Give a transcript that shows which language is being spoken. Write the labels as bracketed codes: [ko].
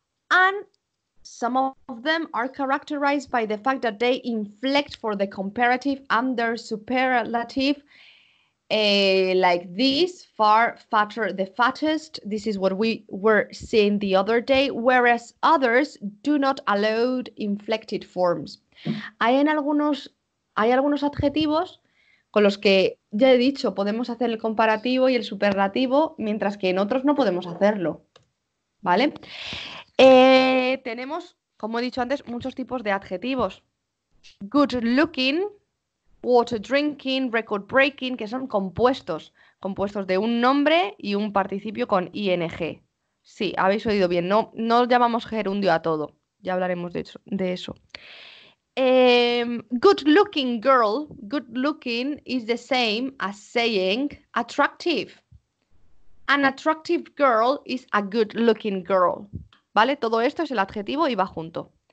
[en] And some of them are characterized by the fact that they inflect for the comparative and their superlative, like this, far, fatter, the fattest. This is what we were seeing the other day, whereas others do not allow inflected forms. [es] Hay algunos adjetivos con los que, ya he dicho, podemos hacer el comparativo y el superlativo, mientras que en otros no podemos hacerlo, ¿vale? Tenemos, como he dicho antes, muchos tipos de adjetivos. Good looking, water drinking, record breaking, que son compuestos. Compuestos de un nombre y un participio con ing. Sí, habéis oído bien. No llamamos gerundio a todo. Ya hablaremos de eso. [en] Good looking girl, good looking is the same as saying attractive. An attractive girl is a good looking girl. [es] ¿Vale? Todo esto es el adjetivo y va junto.